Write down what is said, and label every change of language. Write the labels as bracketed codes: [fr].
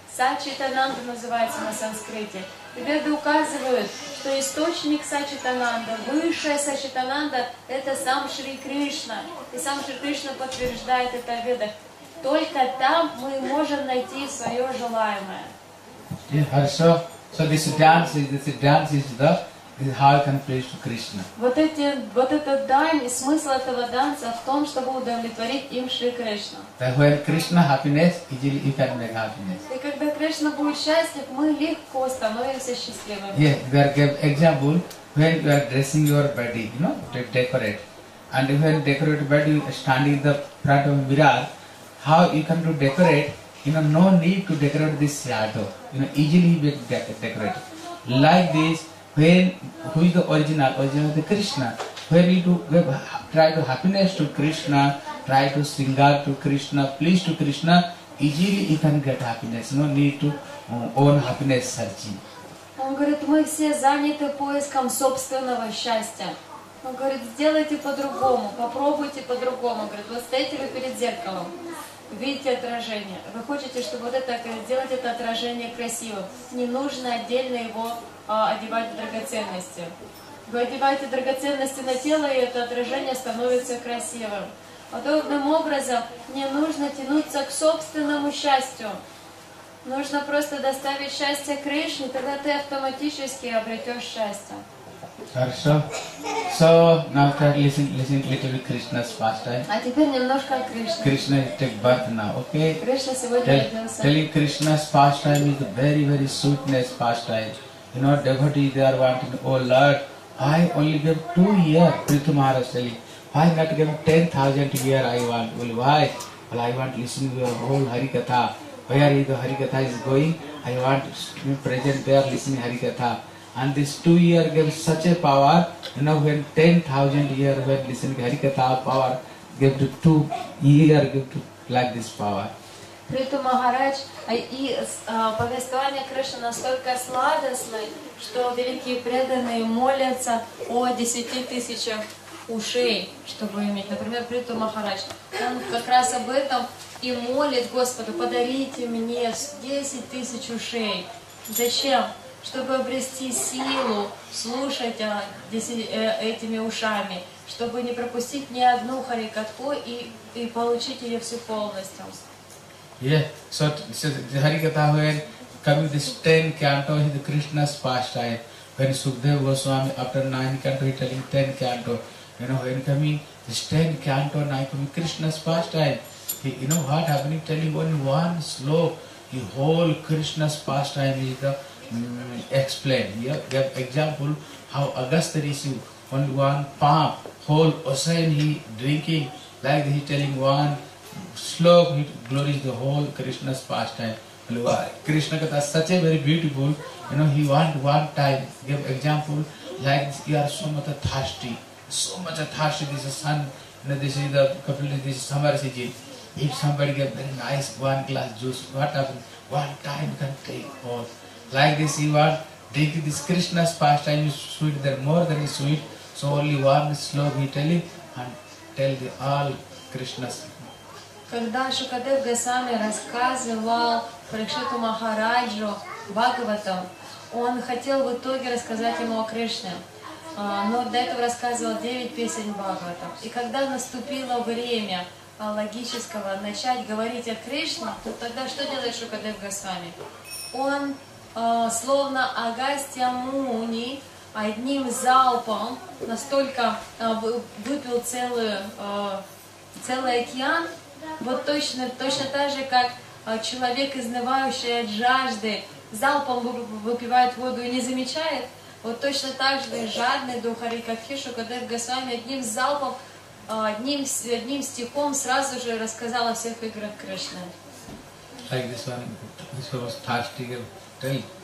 [ru] Сачитананда называется на санскрите. Веды указывают, что источник Сачитананда, высшая Сачитананда — это сам Шри Кришна. И сам Шри Кришна подтверждает это в Ведах. Только там мы можем найти свое желаемое. [en] Yeah, so this dance is how I can please Krishna. [ru] Вот этот данс, смысл этого данса в том, чтобы удовлетворить им Шри Кришна. [en] That when Krishna happiness, easily you can make happiness. [ru] И когда Кришна будет счастлив, мы легко становимся счастливыми. [en] Yeah, we are give example when you are dressing your body, you know, to decorate. And when decorate body, you stand in the front of mirror. How you can to decorate, you know, no need to decorate this shadow, you know, easily be decorated. Like this, when, who is the original? Original is the Krishna. When you try to happiness to Krishna, try to sing out to Krishna, please to Krishna, easily you can get happiness, no need to own happiness searching. [ru] Он говорит, мы все заняты поиском собственного счастья. Он говорит, сделайте по-другому, попробуйте по-другому. Говорит, вот стоите вы перед зеркалом, видите отражение. Вы хотите, чтобы вот это, сделать это отражение красиво. Не нужно отдельно его одевать в драгоценности. Вы одеваете драгоценности на тело, и это отражение становится красивым. Подобным образом не нужно тянуться к собственному счастью. Нужно просто доставить счастье Кришне, тогда ты автоматически обретешь счастье. Хорошо. [en] So now try listen little bit Krishna's pastime. [ru] А теперь немножко о Кришне. [en] Krishna take birth now, okay? [ru] Кришна сегодня родился. [en] Telling Krishna's pastime is very very sweetness pastime. You know devotees they are wanting, oh Lord, I only give 2 years, Prithu Maharaj telling. Why not give 10,000 years I want? Well, why? Well, I want to listen to your whole Harikatha. Where the Harikatha is going, I want to be present there listening Harikatha. And this 2 years gave such a power, you know, when 10,000 years when listening Harikatha power gave to 2 years gave to like this power. [ru] Прито Махарадж, и повествование Кришны настолько сладостное, что великие преданные молятся о 10 тысячах ушей, чтобы иметь, например, Приту Махарадж. Он как раз об этом и молит Господа, подарите мне 10 тысяч ушей. Зачем? Чтобы обрести силу слушать этими ушами, чтобы не пропустить ни одну харикатху и получить ее всю полностью. [en] Yeah, so the Harikatha when coming this 10th canto is the Krishna's pastime. When Sukadeva Goswami after 9th canto he telling 10th canto. You know when coming this 10th canto now coming Krishna's pastime. He, you know what happening telling only one slope. The whole Krishna's pastime is the explained. Yeah, give example how Agastya Rishi only one palm whole ocean he drinking like he telling one. Slok glories the whole Krishna's pastime. Krishna Katha such a very beautiful, you know, he want one time, give example, like you are so much thirsty, this is sun, you know, this is the completely this is summer season. If somebody gives very nice one glass juice, what happens? One time can take all. Like this, you want drink this Krishna's pastime is sweet, there more than is sweet. So only one slok he tell it and tell the all Krishna's. [ru] Когда Шукадев Госвами рассказывал Парикшиту Махараджу Бхагаватам, он хотел в итоге рассказать ему о Кришне, но до этого рассказывал 9 песен Бхагаватам. И когда наступило время логического начать говорить о Кришне, то тогда что делает Шукадев Госвами? Он словно Агастья Муни одним залпом настолько выпил целый океан. Вот точно так же, как человек, изнывающий от жажды, залпом выпивает воду и не замечает, вот точно так же жадный дух Хари Кафи Шукадев Госвами одним залпом, одним стихом сразу же рассказал о всех играх Кришны. [en] Like this one, this one was thirsty, tell.